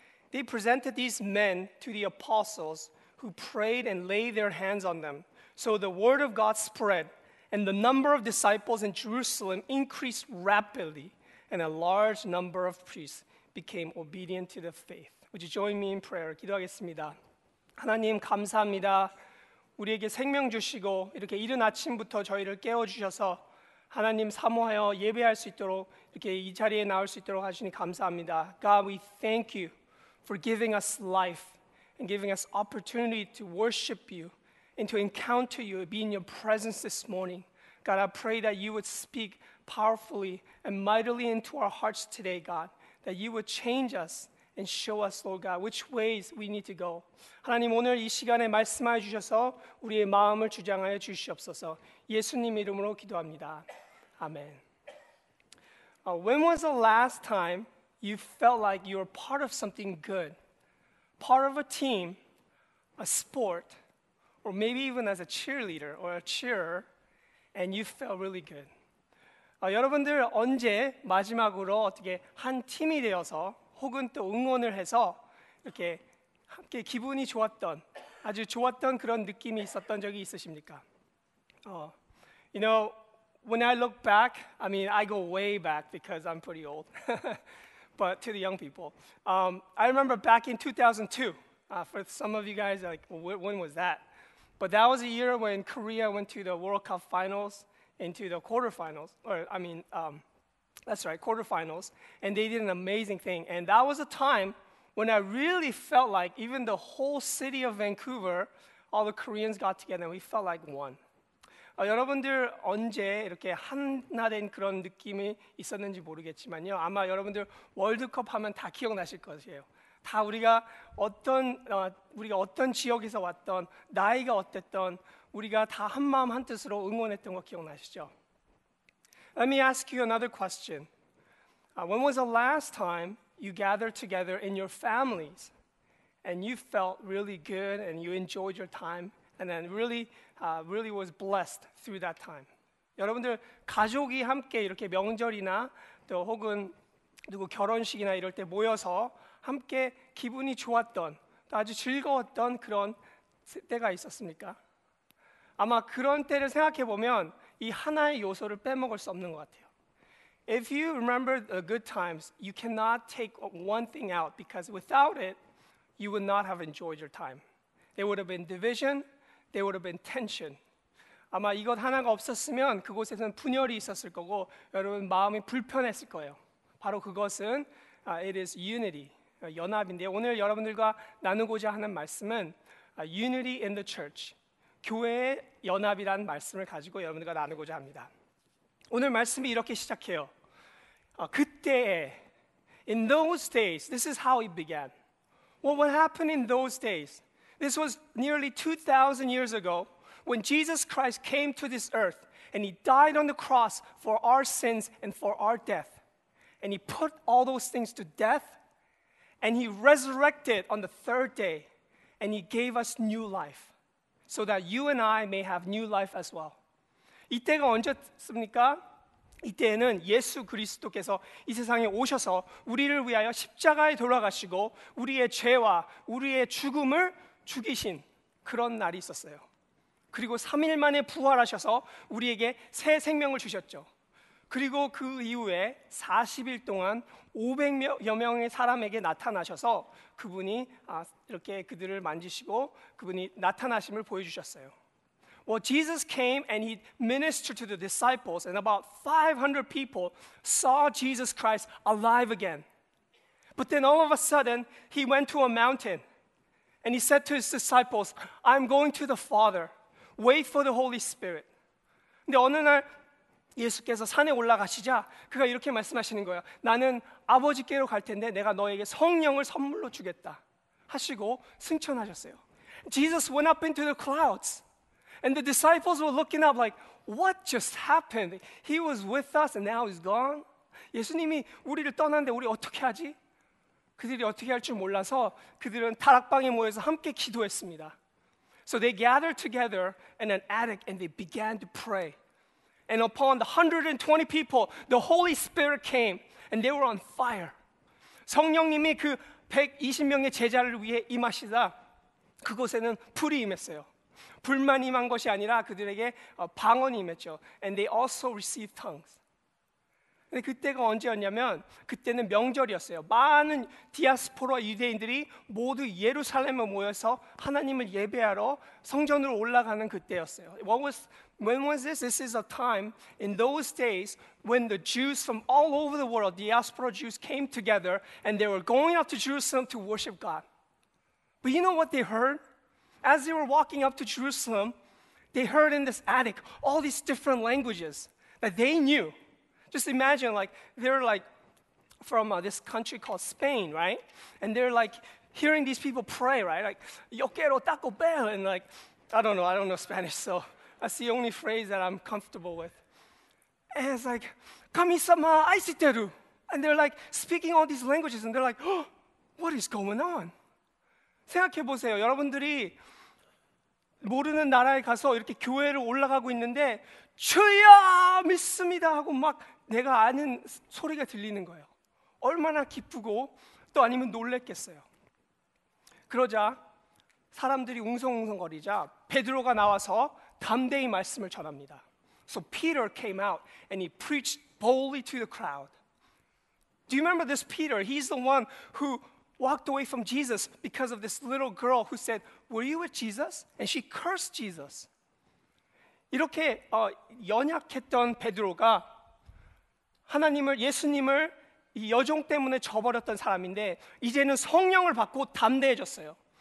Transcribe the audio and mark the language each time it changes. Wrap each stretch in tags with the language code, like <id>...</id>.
<en>They presented these men to the apostles, who prayed and laid their hands on them. So the word of God spread, and the number of disciples in Jerusalem increased rapidly, and a large number of priests became obedient to the faith. Would you join me in prayer?</en> <ko>기도하겠습니다. 하나님 감사합니다. 우리에게 생명 주시고 이렇게 이른 아침부터 저희를 깨워주셔서 하나님 사모하여 예배할 수 있도록 이렇게 이 자리에 나올 수 있도록 하시니 감사합니다.</ko> <en>God, we thank you for giving us life and giving us opportunity to worship you and to encounter you, be in your presence this morning. God, I pray that you would speak powerfully and mightily into our hearts today, God, that you would change us and show us, Lord God, which ways we need to go.</en> <ko>하나님, 오늘 이 시간에 말씀하여 주셔서 우리의 마음을 주장하여 주시옵소서. 예수님 이름으로 기도합니다. 아멘.</ko> <en>When was the last time you felt like you were part of something good? Part of a team, a sport, or maybe even as a cheerleader or a cheerer, and you felt really good.</en> <ko>여러분들 언제 마지막으로 어떻게 한 팀이 되어서 혹은 또 응원을 해서 이렇게 함께 기분이 좋았던 아주 좋았던 그런 느낌이 있었던 적이 있으십니까?</ko> <en>You know, when I look back, I mean, I go way back because I'm pretty old. But to the young people, I remember back in 2002. For some of you guys, like, well, when was that? But that was a year when Korea went to the World Cup finals, into the quarterfinals, or I mean, that's right, quarterfinals, and they did an amazing thing. And that was a time when I really felt like even the whole city of Vancouver, all the Koreans got together, and we felt like one.</en> <ko>여러분들 언제 이렇게 한나된 그런 느낌이 있었는지 모르겠지만요. 아마 여러분들 월드컵 하면 다 기억나실 것이에요. 다 우리가 어떤 우리가 어떤 지역에서 왔던 나이가 어땠던 우리가 다 한 마음 한 뜻으로 응원했던 거 기억나시죠?</ko> <en>Let me ask you another question. When was the last time you gathered together in your families and you felt really good and you enjoyed your time and then really really was blessed through that time.</en> <ko>여러분들 가족이 함께 이렇게 명절이나 또 혹은 누구 결혼식이나 이럴 때 모여서 함께 기분이 좋았던 또 아주 즐거웠던 그런 때가 있었습니까? 아마 그런 때를 생각해 보면 이 하나의 요소를 빼먹을 수 없는 것 같아요.</ko> <en>If you remember the good times, you cannot take one thing out because without it, you would not have enjoyed your time. There would have been division, there would have been tension.</en> <ko>아마 이것 하나가 없었으면 그곳에서는 분열이 있었을 거고 여러분 마음이 불편했을 거예요. 바로 그것은</ko> <en>it is unity,</en> <ko>연합인데 오늘 여러분들과 나누고자 하는 말씀은</ko> <en>unity in the church,</en> <ko>교회의 연합이라는 말씀을 가지고 여러분들과 나누고자 합니다. 오늘 말씀이 이렇게 시작해요. 그때에,</ko> <en>in those days, this is how it began. Well, what happened in those days? This was nearly 2,000 years ago when Jesus Christ came to this earth and he died on the cross for our sins and for our death. And he put all those things to death and he resurrected on the third day and he gave us new life so that you and I may have new life as well.</en> <ko>이때가 언제였습니까? 이때에는 예수 그리스도께서 이 세상에 오셔서 우리를 위하여 십자가에 돌아가시고 우리의 죄와 우리의 죽음을 죽이신 그런 날이 있었어요. 그리고 3일 만에 부활하셔서 우리에게 새 생명을 주셨죠. 그리고 그 이후에 40일 동안 500여 명의 사람에게 나타나셔서 그분이 이렇게 그들을 만지시고 그분이 나타나심을 보여주셨어요.</ko> <en>Well, Jesus came and he ministered to the disciples and about 500 people saw Jesus Christ alive again. But then all of a sudden, he went to a mountain and he said to his disciples, I'm going to the Father. Wait for the Holy Spirit.</en> <ko>근데 어느 날 예수께서 산에 올라가시자 그가 이렇게 말씀하시는 거예요. 나는 아버지께로 갈 텐데 내가 너에게 성령을 선물로 주겠다 하시고 승천하셨어요.</ko> <en>Jesus went up into the clouds. And the disciples were looking up like, what just happened? He was with us and now he's gone?</en> <ko>예수님이 우리를 떠났는데 우리 어떻게 하지? 그들이 어떻게 할 줄 몰라서 그들은 다락방에 모여서 함께 기도했습니다.</ko> <en>So they gathered together in an attic and they began to pray. And upon the 120 people, the Holy Spirit came and they were on fire.</en> <ko>성령님이 그 120명의 제자를 위해 임하시다 그곳에는 불이 임했어요. 불만 임한 것이 아니라 그들에게 방언이 임했죠.</ko> <en>And they also received tongues.</en> <ko>근데 그때가 언제였냐면 그때는 명절이었어요. 많은 디아스포라 유대인들이 모두 예루살렘에 모여서 하나님을 예배하러 성전으로 올라가는 그때였어요.</ko> <en>When was this? This is a time in those days when the Jews from all over the world, diaspora Jews came together and they were going up to Jerusalem to worship God. But you know what they heard? As they were walking up to Jerusalem, they heard in this attic all these different languages that they knew. Just imagine, like, they're, like, from this country called Spain, right? And they're, like, hearing these people pray, right? Like,</en> <es>yo quiero taco bell,</es> <en>and, like, I don't know Spanish, so that's the only phrase that I'm comfortable with. And it's like,</en> <ja>kamisama aisiteru.</ja> <en>And they're, like, speaking all these languages, and they're, like, oh, what is going on?</en> <ko>생각해 보세요. 여러분들이 모르는 나라에 가서 이렇게 교회를 올라가고 있는데 주여 믿습니다 하고 막 내가 아는 소리가 들리는 거예요. 얼마나 기쁘고 또 아니면 놀랬겠어요. 그러자 사람들이 웅성웅성거리자 베드로가 나와서 담대히 말씀을 전합니다.</ko> <en>So Peter came out and he preached boldly to the crowd. Do you remember this Peter? He's the one who walked away from Jesus because of this little girl who said, were you with Jesus? And she cursed Jesus.</en> <ko>이렇게 연약했던 베드로가 하나님을 예수님을 이 여종 때문에 저버렸던 사람인데 이제는 성령을 받고 담대해졌어요.</ko>